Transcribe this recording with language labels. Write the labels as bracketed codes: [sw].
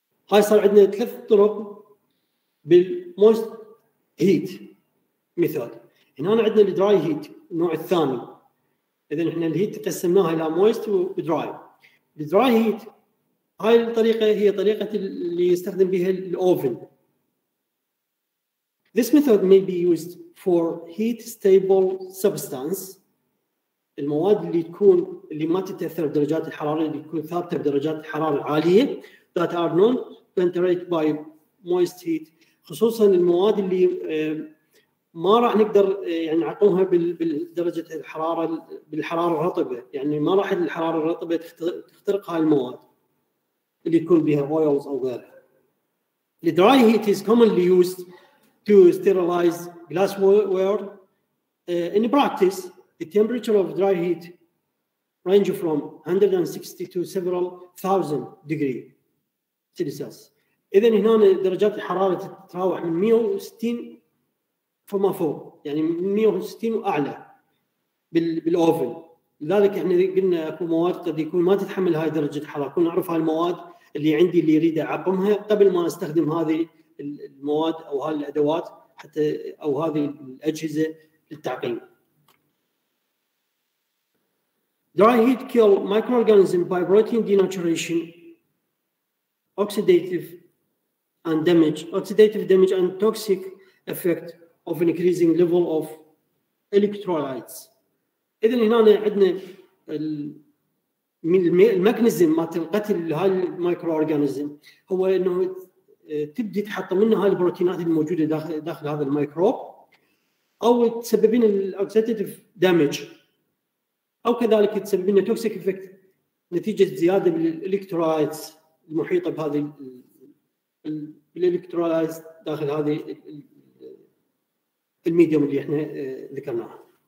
[ar] هاي صار عندنا ثلاث طرق بالموست هيت ميثود. هنا عندنا الدراي هيت النوع الثاني. إذا إحنا الهيت قسمناها إلى موست ودراي. الدراي هيت هاي الطريقة هي طريقة اللي يستخدم بها الأوفن. [en] This method may be used for heat stable substance. [ar] المواد اللي تكون اللي ما تتأثر بدرجات الحرارة، اللي تكون ثابتة بدرجات الحرارة العالية [en] that are not penetrated by moist heat. [ar] خصوصا المواد اللي ما راح نقدر يعني نعطوها بالدرجة الحرارة بالحرارة الرطبة، يعني ما راح الحرارة الرطبة تخترق هاي المواد اللي تكون بها oils أو غيرها. [en] The dry heat is commonly used to sterilize glassware. In practice, the temperature of dry heat range from 160 to several thousand degree Celsius. [ar] إذن هنا درجات الحرارة تتراوح من 160 فما فوق، يعني 160 وأعلى بالأوفن. لذلك إحنا قلنا أكو مواد قد يكون ما تتحمل هاي درجة الحرارة. كنا نعرف هاي المواد اللي عندي اللي يريد أعقمها قبل ما أستخدم هذه المواد أو هذه الأدوات حتى أو هذه الأجهزة للتعقيم. [en] Dry heat kill microorganisms by protein denaturation, oxidative and damage. Oxidative damage and toxic effect of an increasing level of electrolytes. [ar] إذن هنا عندنا الميكانيزم ما تقتل هاي الميكروأورجانيزم هو إنه تبدي تحط منها البروتينات الموجودة داخل هذا الميكروب أو تسببين الأوكسيديتيف دامج أو كذلك تسببين توكسيك إفكت نتيجة زيادة بالإلكترولايت المحيطة بهذه بالإلكترولايت داخل هذه الميديوم اللي إحنا ذكرناها.